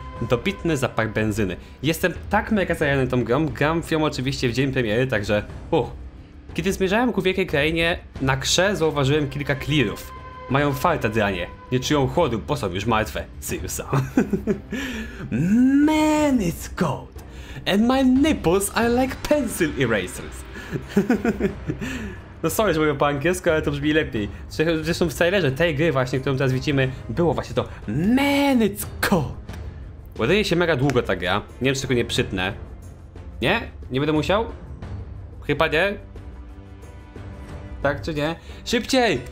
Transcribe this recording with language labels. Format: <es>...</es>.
<pl>Dobitny zapach benzyny. Jestem tak mega zajęty tą grą, gram w ją oczywiście w dzień premiery, także Kiedy zmierzałem ku wielkiej krainie, na krze zauważyłem kilka clearów. Mają farta dranie, nie czują chłodu, bo są już martwe.</pl> <en>Serious Sam. Man, it's cold. And my nipples are like pencil erasers.</en> <pl>No sorry, że mówię po angielsku, ale to brzmi lepiej. Zresztą w trailerze tej gry właśnie, którą teraz widzimy, było właśnie to</pl> <en>Man, it's cold.</en> <pl>Ładuje się mega długo ta gra. Nie wiem, czy tylko nie przytnę. Nie? Nie będę musiał? Chyba nie? Tak czy nie? Szybciej!</pl>